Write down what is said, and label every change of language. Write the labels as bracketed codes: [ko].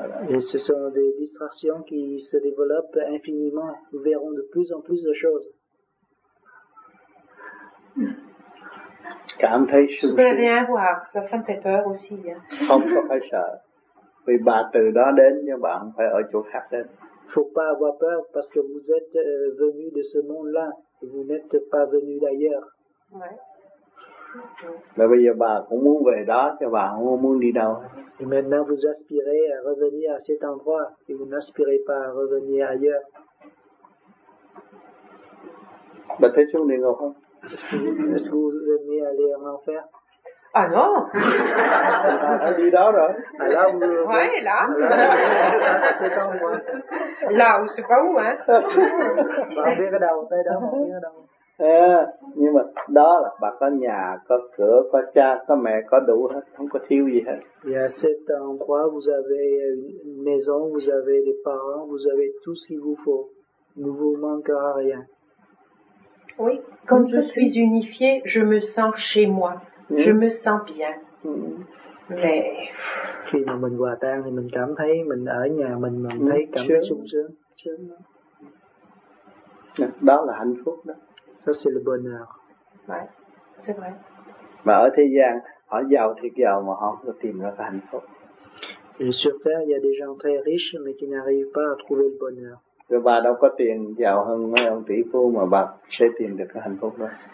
[fr] Et ce sont des distractions qui se développent infiniment. Nous verrons de plus en plus de choses. [vi] Cảm thấy sướng. [fr] Je ne peux rien voir. Ça me fait peur aussi. [vi] Không có phải sợ. Vì bà từ đó đến nhưng bạn phải ở chỗ khác đến. [fr] Faut pas avoir peur parce que vous êtes venu de ce monde-là. Vous n'êtes pas venu d'ailleurs. [vi] Là bây giờ bà cũng muốn về đó, cho bà không muốn đi đâu. [fr] Et maintenant vous aspirez à revenir à cet endroit et vous n'aspirez pas à revenir ailleurs. [vi] Bà thấy xuống địa ngục không? [fr] Est-ce que vous aimez aller en enfer? Ah non! À lui là, là. Alors vous... Ouais, là. À cet endroit. Là ou c'est pas où, hein? Bah, on vient d'avant, on vient d'avant. [vi] Nhưng mà đó là bà có nhà, có cửa, có cha, có mẹ, có đủ hết, không có thiếu gì hết. [fr] Yeah, cet endroit, vous avez une maison, vous avez des parents, vous avez tout ce qu'il vous faut. Ne vous manquera rien. Oui, quand je suis unifiée, je me sens chez moi. Mm. Je me sens bien. Mm. Mais... [vi] Khi mà mình hòa tan thì mình cảm thấy mình ở nhà mình, mình thấy cảm thấy sung sướng. Đó là hạnh phúc đó. [fr] Ça c'est le bonheur. Ouais, c'est vrai. [vi] Mais ở thế gian, họ giàu thì giàu mà họ không tìm ra hạnh phúc. [fr] Et sur terre, il y a des gens très riches mais qui n'arrivent pas à trouver le bonheur. [vi] Rồi bà đâu có tiền giàu hơn mấy ông tỷ phú mà bà sẽ tìm được hạnh phúc đó.